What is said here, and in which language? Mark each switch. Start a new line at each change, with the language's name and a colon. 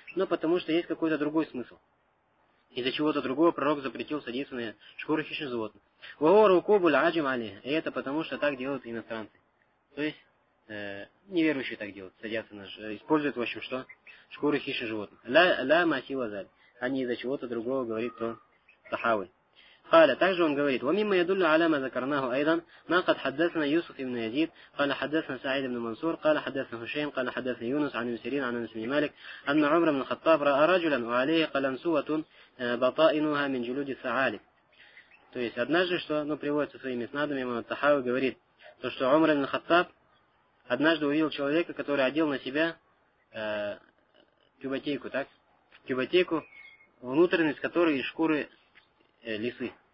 Russian: Но потому что есть какой-то другой смысл. Из-за чего-то другого пророк запретил садиться на шкуры хищных животных.
Arabic: «Вагуа рукубуль аджим али».
Russian: И это потому что так делают иностранцы. То есть, неверующие так делают. Садятся на используют, в общем, что? Шкуры хищных животных.
Arabic: «Ла ма сила залик».
Russian: Они из-за чего-то другого говорит то Тахауи.
Arabic: Халя,
Russian: также он говорит,
Arabic: وَمِمَّ يَدُلُّ عَلَى مَا ذَكَرْنَاهُ أَيْضًا مَا قَدْ حَدَّثْنَا يُوسُفَ بْنُ يَزِيدٍ قَالَ حَدَّثْنَا سَعِيدَ بْنُ مَنْصُورٍ قَالَ حَدَّثْنَا هُشَيْمٍ قَالَ حَدَّثْنَا يُونُسَ عَنْ مُسِيرِينَ عَنْ أَنَسِ بْنِ مَالِكٍ أَنَّ عُمْرَ بْنَ الْخَطَّابِ رَأَى رَجُلًا وَعَلَيْهِ قَلَنْسُوَةٌ بَطَائِنُهَا مِنْ جُلُودِ الثَّعَالِبِ.
Russian: То есть однажды, что, ну, приводится своими снадами, имам ат-Тахауи говорит, то, что Умар ибн ат-Тахаб однажды увидел человека, который одел на себя тюбетейку, так? Тюбетейку, внутренность которой шкуры лисы.